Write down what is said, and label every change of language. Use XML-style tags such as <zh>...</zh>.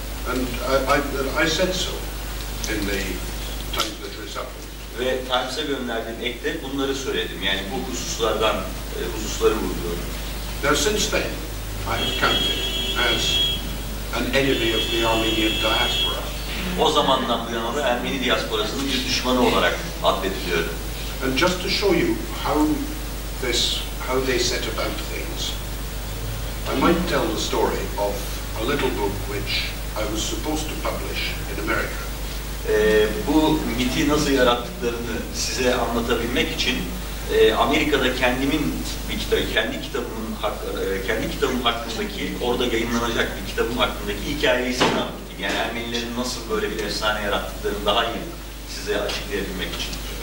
<en>And I said so in the time that was up.</en> <tr>Ve Times'a gönderdiğim ekte bunları söyledim. Yani bu hususlardan hususları vurguluyorum.</tr> <en>Now since then, I have counted as an enemy of the Armenian diaspora.</en> <tr>O zamandan bu yana da Ermeni diasporasının bir düşmanı olarak addediliyorum.</tr> <en>And just to show you how they set about things, I might tell the story of a little book which I was supposed to publish in America.</en> <tr>Bu miti nasıl yarattıklarını size anlatabilmek için Amerika'da kendi kitabım hakkındaki orada yayınlanacak bir kitabım hakkındaki hikayeyi size anlatayım. Yani Ermenilerin nasıl böyle bir efsane yarattıklarını daha iyi size açıklayabilmek için.</tr>